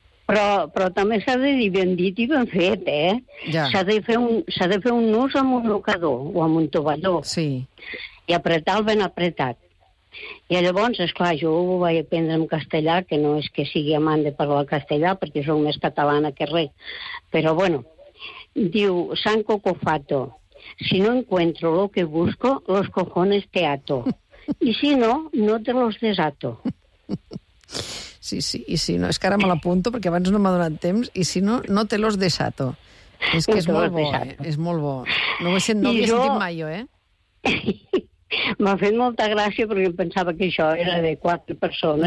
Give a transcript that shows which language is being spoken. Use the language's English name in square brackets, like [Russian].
[Catalan] Però també s'ha de dir ben dit i ben fet, eh? Ja. S'ha de fer un nus amb un mocador o amb un tovalló. Sí. I apretar-lo ben apretat. I llavors, esclar, jo ho vaig aprendre en castellà, que no és que sigui amant de parlar castellà, perquè soc més catalana que res. Però, [Spanish] bueno, diu, Sant Cocofato, si no encuentro lo que busco, los cojones te ato. [Catalan] I [Spanish] si no, no te los desato. [Catalan] Sí, sí, i si no, és que ara me l'apunto perquè abans no m'ha donat temps, i si no, [Spanish] no te los desato. [Catalan] És que és molt bo, és molt bo. No ho he sentit, jo... mai, jo, eh? M'ha fet molta gràcia perquè em pensava que això era de 4 persones.